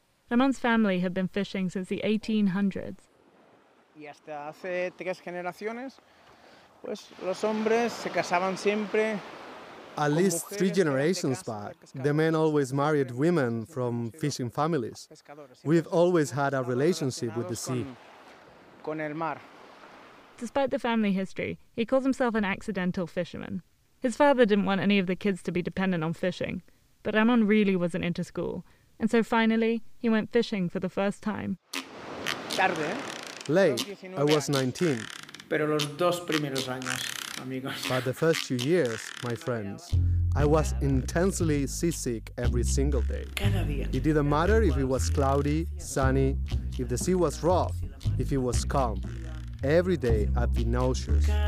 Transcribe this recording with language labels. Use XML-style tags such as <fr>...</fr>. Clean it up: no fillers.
<en>Ramon's family have been fishing since the 1800s.</en> <es>Y hasta hace tres generaciones, pues los hombres se casaban siempre.</es> <en>At least three generations back, the men always married women from fishing families. We've always had a relationship with the sea. Despite the family history, he calls himself an accidental fisherman. His father didn't want any of the kids to be dependent on fishing, but Ramon really wasn't into school, and so finally, he went fishing for the first time. Late, I was 19.</en> <es>Pero los dos primeros años. Amigos.</es> <en>But the first 2 years, my friends, I was intensely seasick every single day. It didn't matter if it was cloudy, sunny, if the sea was rough, if it was calm. Every day I'd be nauseous.</en>